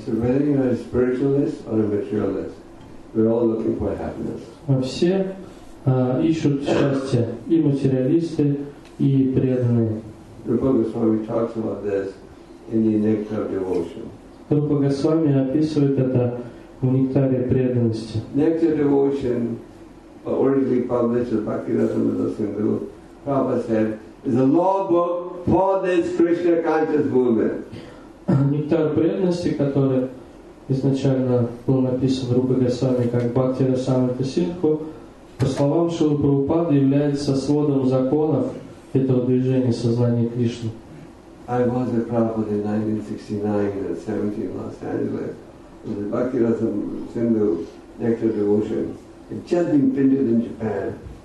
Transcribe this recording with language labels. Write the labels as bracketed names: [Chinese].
[English] So whether you are a spiritualist or a materialist, we're all looking for happiness. [Russian] Все ищут счастье, и материалисты, и преданные. [English] Rupa Goswami talks about this in the Nectar of Devotion. [Russian] Rupa Goswami описывает это в Нектаре преданности. [English] Nectar of Devotion, originally published by Bhaktivedanta Sindhu, Prabhupada said, is a law book for this Krishna conscious movement. [Russian] Нектар преданности, который изначально был написан Рупой Госвами как Бхакти Расамрита Синху, по словам Шрилы Прабхупады, является сводом законов этого движения сознания Кришны. [English] I was a Prabhupada in 1969 and 70 in Los Angeles. The Bhakti Rasamrita Sindhu Nectar Devotion had just been printed in Japan.